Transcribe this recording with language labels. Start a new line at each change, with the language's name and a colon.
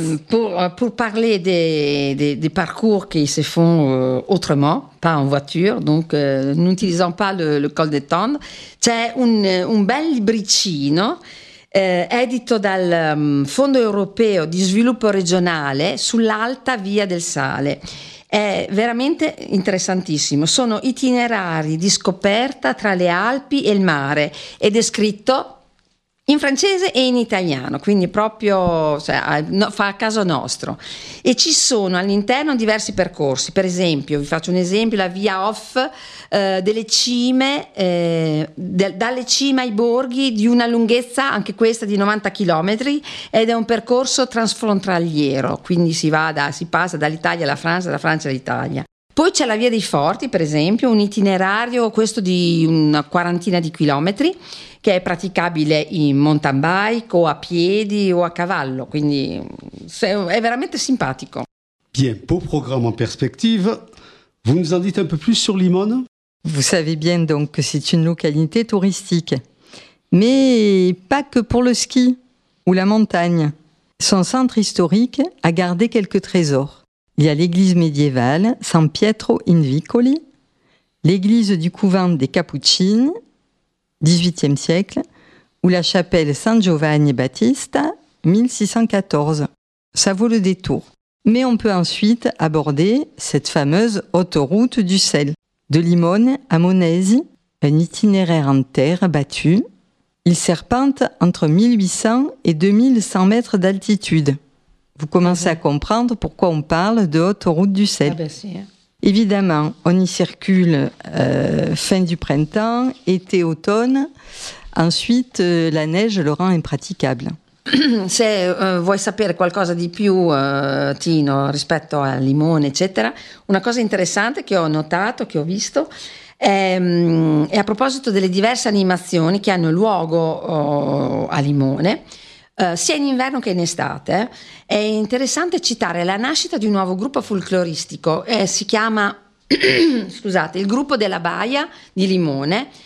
French: Mais pour parler des parcours qui se font autrement, pas en voiture, donc n'utilisant pas le col de Tende, c'est un bel
Italian: libricino edito dal Fondo Europeo di Sviluppo Regionale sull'Alta Via del Sale. È veramente interessantissimo. Sono itinerari di scoperta tra le Alpi e il mare ed è scritto in francese e in italiano, quindi proprio fa a caso nostro. E ci sono all'interno diversi percorsi, per esempio, vi faccio un esempio, la via off delle cime, dalle cime ai borghi, di una lunghezza, anche questa, di 90 km, ed è un percorso transfrontaliero, quindi si passa dall'Italia alla Francia, dalla Francia all'Italia. Poi c'è la via dei Forti, per esempio, un itinerario, questo di una quarantina di chilometri, che è praticabile in mountain bike o a piedi o a cavallo, quindi è veramente simpatico.
French: Bien, beau programme en perspective. Vous nous en dites un peu plus sur Limone? Vous savez bien donc que c'est une localité touristique, mais pas que pour le ski ou la montagne. Son centre historique a gardé quelques trésors. Il y a l'église médiévale San Pietro in Vicoli, l'église du couvent des Cappuccines, 18e siècle, ou la chapelle San Giovanni Battista, 1614. Ça vaut le détour. Mais on peut ensuite aborder cette fameuse autoroute du sel. De Limone à Monesi, un itinéraire en terre battue. Il serpente entre 1800 et 2100 mètres d'altitude. Vous commencez à comprendre pourquoi on parle de haute route du sel. Ah ben si. Évidemment, on y circule fin du printemps, été, automne. Ensuite, la neige le rend impraticable.
Italian: Se vuoi sapere qualcosa di più, Tino, rispetto al Limone, eccetera, una cosa interessante che ho notato, che ho visto, è a proposito delle diverse animazioni che hanno luogo a Limone, sia in inverno che in estate, è interessante citare la nascita di un nuovo gruppo folcloristico, si chiama, scusate, il gruppo della Baia di Limone,